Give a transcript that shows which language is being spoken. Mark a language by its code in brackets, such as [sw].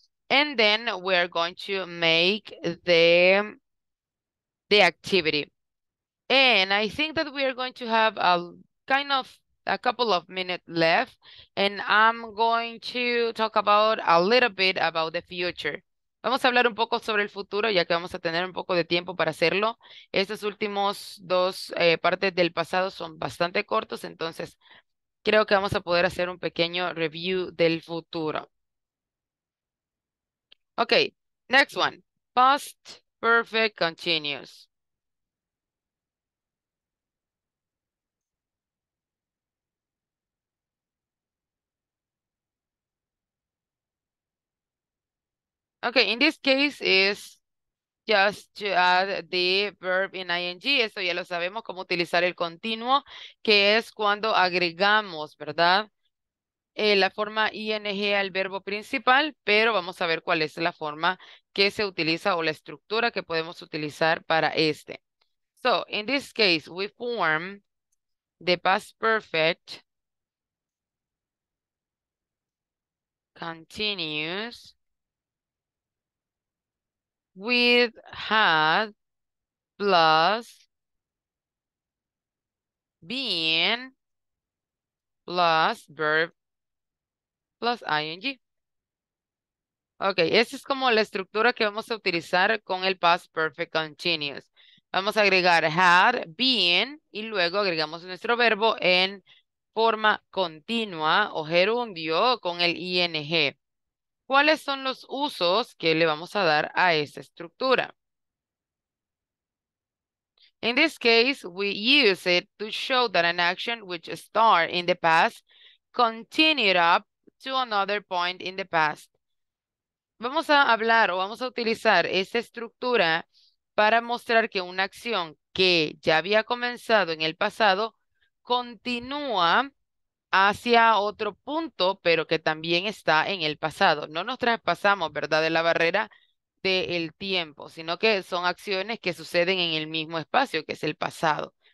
[en] And then we are going to make the activity. And I think that we are going to have a kind of a couple of minutes left, and I'm going to talk about a little bit about the future. [es] Vamos a hablar un poco sobre el futuro, ya que vamos a tener un poco de tiempo para hacerlo. Estos últimos dos partes del pasado son bastante cortos, entonces creo que vamos a poder hacer un pequeño review del futuro. [en] Okay, next one. Past perfect continuous. Okay, in this case is just to add the verb in ing. [es] Eso ya lo sabemos, cómo utilizar el continuo, que es cuando agregamos, ¿verdad? La forma ing al verbo principal, pero vamos a ver cuál es la forma que se utiliza o la estructura que podemos utilizar para este. [en] So, in this case, we form the past perfect continuous with had plus been plus verb plus ing. [es] Okay, esa es como la estructura que vamos a utilizar con el past perfect continuous. Vamos a agregar had, been, y luego agregamos nuestro verbo en forma continua o gerundio con el ing. ¿Cuáles son los usos que le vamos a dar a esa estructura? [en] In this case, we use it to show that an action which started in the past continued up to another point in the past. [es] Vamos a hablar o vamos a utilizar esa estructura para mostrar que una acción que ya había comenzado en el pasado continúa hacia otro punto, pero que también está en el pasado. No nos traspasamos, ¿verdad?, de la barrera del tiempo, sino que son acciones que suceden en el mismo espacio, que es el pasado.